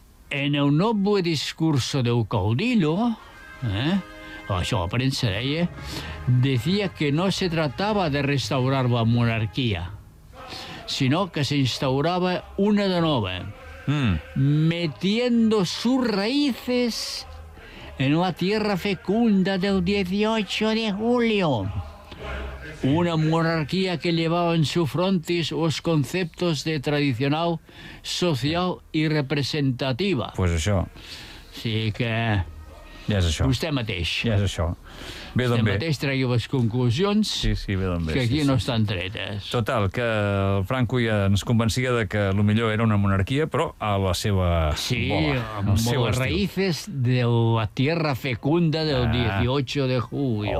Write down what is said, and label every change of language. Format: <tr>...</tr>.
<es>En el noble discurso del caudillo,</es> <ca>això la premsa deia,</ca> <es>decía que no se trataba de restaurar la monarquía, sino que se instauraba</es> <ca>una de nova,</ca> <es>metiendo sus raíces en la tierra fecunda del 18 de julio. Una monarquía que llevaba en su frontis los conceptos de tradicional, social y representativa. Pues eso. Sí que...</es> <ca>Ja és això. Vostè mateix. Ja és això. Bé, vostè mateix tregui les conclusions que aquí no estan tretes. Total, que el Franco ja ens convencia de que el millor era una monarquia, però a la seva bola.</ca> <es>Sí, raïces de la tierra fecunda del 18 de julio.</es>